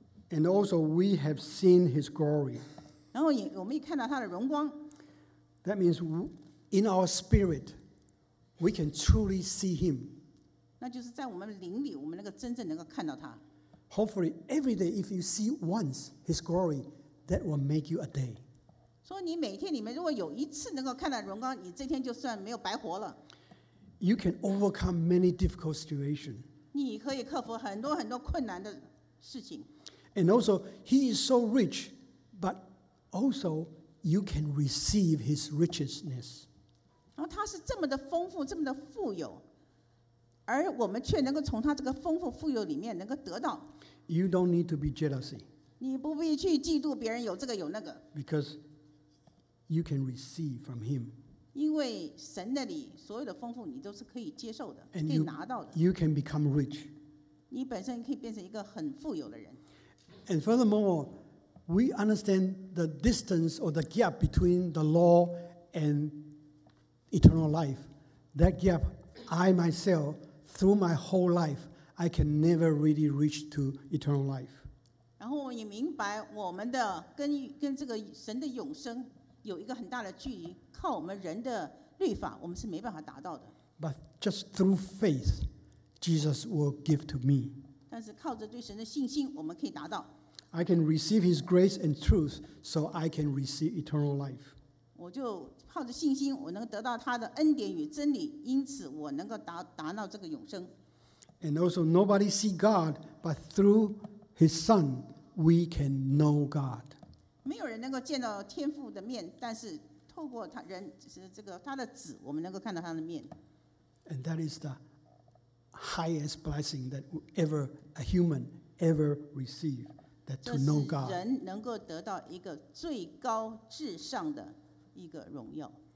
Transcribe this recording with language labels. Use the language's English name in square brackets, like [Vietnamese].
[English] And also we have seen his glory. [Chinese] 然后我们也看到他的荣光。 [English] That means in our spirit, we can truly see him. [Chinese] 那就是在我们灵里我们那个真正能够看到他。 [English] Hopefully, every day if you see once his glory, that will make you a day. [Chinese] 所以你每天里面如果有一次能够看到荣光，你这天就算没有白活了。 [English] You can overcome many difficult situations. [Chinese] 你可以克服很多很多困难的事情。 [English] And also, he is so rich, but also you can receive his richness. [Chinese] 然后他是这么的丰富，这么的富有，而我们却能够从他这个丰富富有里面能够得到。 [English] You don't need to be jealousy. [Chinese] 你不必去嫉妒别人有这个有那个。 [English] Because You can receive from him. [Chinese] 因为神那里所有的丰富，你都是可以接受的，可以拿到的。 [English] You can become rich. [Chinese] 你本身可以变成一个很富有的人。 [English] And furthermore, we understand the distance or the gap between the law and eternal life. That gap, I myself, through my whole life, I can never really reach to eternal life. [Chinese] 然后我们也明白我们的跟这个神的永生。有一个很大的距离，靠我们人的律法，我们是没办法达到的。 [English] But just through faith, Jesus will give to me. [Chinese] 但是靠着对神的信心，我们可以达到。 [English] I can receive His grace and truth, so I can receive eternal life. [Chinese] 我就靠着信心，我能得到他的恩典与真理，因此我能够达到这个永生。 [English] And also, nobody see God, but through His Son, we can know God. [Chinese] 没有人能够见到天父的面，但是透过他人是这个他的子，我们能够看到他的面。 [English] And that is the highest blessing that ever a human ever received, that to know God. [Chinese] 人能够得到一个最高至上的一个荣耀。